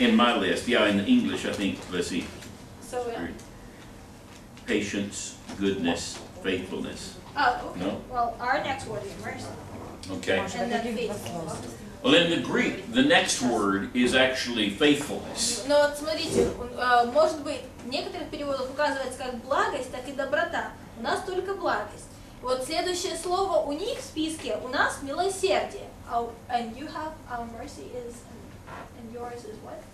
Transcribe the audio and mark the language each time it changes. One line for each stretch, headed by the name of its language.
English: In my list, yeah, in English, I think, let's see. So, yeah. Patience, goodness, faithfulness. No? Well, our next word is mercy. Okay. And then faithfulness. Well, in the Greek, the next word is actually faithfulness.
Russian: Но вот смотрите, может быть, в некоторых переводах указывается как благость, так и доброта. У нас только благость. Вот следующее слово у них в списке, у нас милосердие.
English: And you have mercy is, and yours is what?